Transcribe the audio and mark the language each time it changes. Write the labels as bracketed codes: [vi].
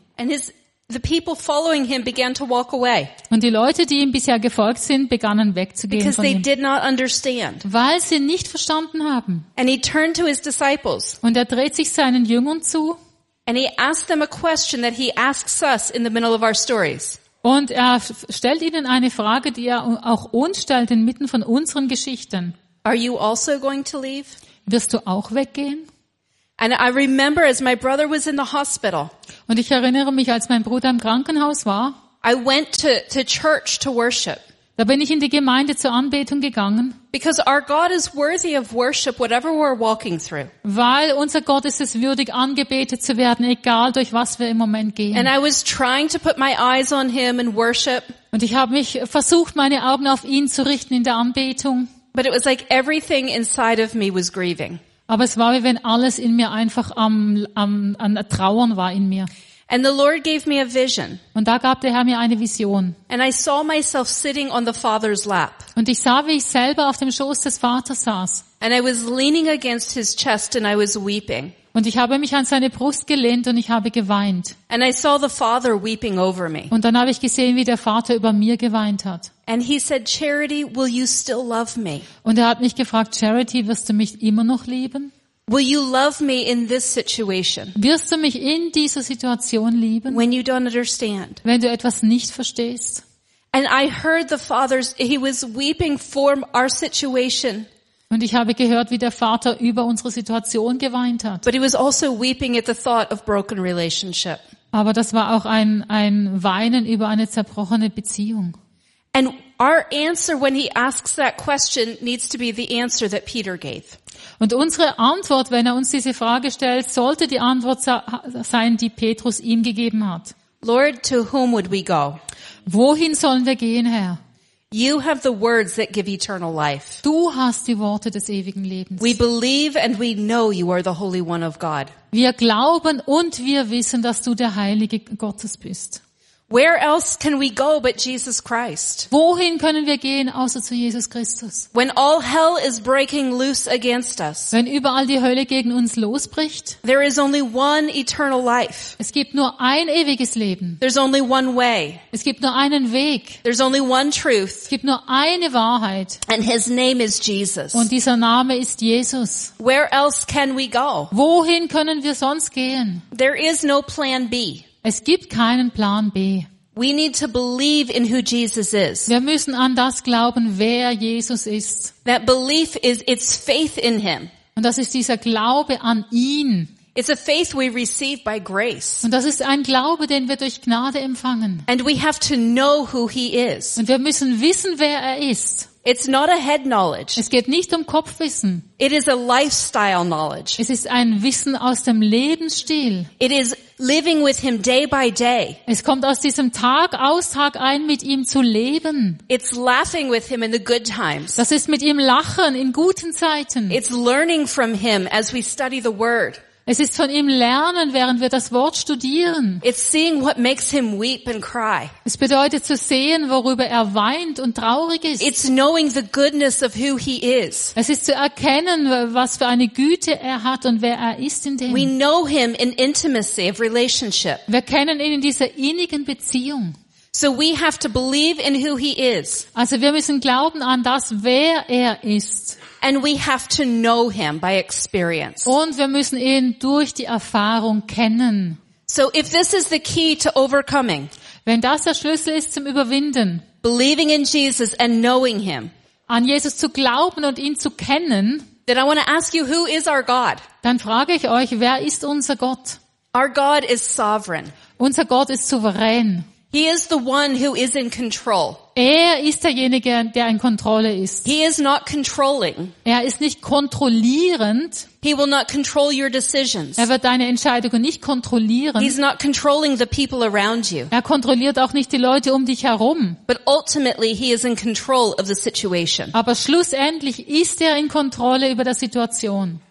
[en] And his The people following him began to walk away. [de] Und die Leute, die ihm bisher gefolgt sind, begannen wegzugehen von ihm. [en] Because they did not understand. [de] Weil sie nicht verstanden haben. [en] And he turned to his disciples. [de] Und dreht sich seinen Jüngern zu. [en] And he asked them a question that he asks us in the middle of our stories. [de] Und stellt ihnen eine Frage, die auch uns stellt inmitten von unseren Geschichten. [en] Are you also going to leave? [de] Wirst du auch weggehen? [en] And I remember as my brother was in the hospital. [de] Und ich erinnere mich, als mein Bruder im Krankenhaus war. [en] I went to church to worship. [de] Da bin ich in die Gemeinde zur Anbetung gegangen. [en] Because our God is worthy of worship whatever we're walking through. [de] Weil unser Gott ist es würdig angebetet zu werden, egal durch was wir im Moment gehen. [en] And I was trying to put my eyes on him and worship. [de] Und ich habe mich versucht, meine Augen auf ihn zu richten in der Anbetung. [en] But it was like everything inside of me was grieving. [de] Aber es war, wie wenn alles in mir einfach am Trauern war in mir. [en] And the Lord gave me a vision. [de] Und da gab der Herr mir eine Vision. [en] And I saw myself sitting on the Father's lap. [de] Und ich sah, wie ich selber auf dem Schoß des Vaters saß. [en] And I was leaning against his chest and I was weeping. [de] Und ich habe mich an seine Brust gelehnt und ich habe geweint. [en] And I saw the Father weeping over me. [de] Und dann habe ich gesehen, wie der Vater über mir geweint hat. [en] And he said, Charity, will you still love me? [de] Und hat mich gefragt, Charity, wirst du mich immer noch lieben? [en] Will you love me in this situation? [de] Wirst du mich in dieser Situation lieben? [en] When you don't understand. [de] Wenn du etwas nicht verstehst. [en] And I heard the Father's, he was weeping for our situation. [de] Und ich habe gehört, wie der Vater über unsere Situation geweint hat. [en] But he was also weeping at the thought of broken relationship. [de] Aber das war auch ein Weinen über eine zerbrochene Beziehung. [en] And our answer when he asks that question needs to be the answer that Peter gave. [de] Und unsere Antwort, wenn uns diese Frage stellt, sollte die Antwort sein, die Petrus ihm gegeben hat. [en] Lord, to whom would we go? [de] Wohin sollen wir gehen, Herr? [en] You have the words that give eternal life. [de] Du hast die Worte des ewigen Lebens. [en] We believe and we know you are the Holy One of God. [de] Wir glauben und wir wissen, dass du der Heilige Gottes bist. [en] Where else can we go but Jesus Christ? [de] Wohin können wir gehen außer zu Jesus Christus? [en] When all hell is breaking loose against us. [de] Wenn überall die Hölle gegen uns losbricht. [en] There is only one eternal life. [de] Es gibt nur ein ewiges Leben. [en] There's only one way. [de] Es gibt nur einen Weg. [en] There's only one truth. [de] Es gibt nur eine Wahrheit. [en] And his name is Jesus. [de] Und dieser Name ist Jesus. [en] Where else can we go? [de] Wohin können wir sonst gehen? [en] There is no plan B. [de] Es gibt keinen Plan B. [en] We need to believe in who Jesus is. [de] Wir müssen an das glauben, wer Jesus ist. [en] That belief is its faith in him. [de] Und das ist dieser Glaube an ihn. [en] It's a faith we receive by grace. [de] Und das ist ein Glaube, den wir durch Gnade empfangen. [en] And we have to know who he is. [de] Und wir müssen wissen, wer er ist. [en] It's not a head knowledge. [de] Es geht nicht um Kopfwissen. [en] It is a lifestyle knowledge. [de] Es ist ein Wissen aus dem Lebensstil. [en] It is living with him day by day. [de] Es kommt aus diesem Tag aus Tag ein mit ihm zu leben. [en] It's laughing with him in the good times. [de] Das ist mit ihm lachen in guten Zeiten. [en] It's learning from him as we study the word. [de] Es ist von ihm lernen, während wir das Wort studieren. [en] It's seeing what makes him weep and cry. [de] Es bedeutet zu sehen, worüber er weint und traurig ist. [en] It's knowing the goodness of who he is. [de] Es ist zu erkennen, was für eine Güte er hat und wer er ist in dem. [en] We know him in intimacy of relationship. [de] Wir kennen ihn in dieser innigen Beziehung. [en] So we have to believe in who he is. [de] Also wir müssen glauben an das, wer er ist. [en] And we have to know him by experience. [de] Und wir müssen ihn durch die Erfahrung kennen. [en] So if this is the key to overcoming. [de] Wenn das der Schlüssel ist zum Überwinden. [en] Believing in Jesus and knowing him. [de] An Jesus zu glauben und ihn zu kennen. [en] Then I want to ask you, who is our God? [de] Dann frage ich euch, wer ist unser Gott? [en] Our God is sovereign. [de] Unser Gott ist souverän. [en] He is the one who is in control. [de] Er ist derjenige, der in Kontrolle ist. [en] He is not controlling. [de] Er ist nicht kontrollierend. [en] He will not control your decisions. [de] Er wird deine Entscheidungen nicht kontrollieren. [en] He is not controlling the people around you. [de] Er kontrolliert auch nicht die Leute um dich herum. [en] But ultimately he is in control of the situation. [de] Aber schlussendlich ist er in Kontrolle über der Situation.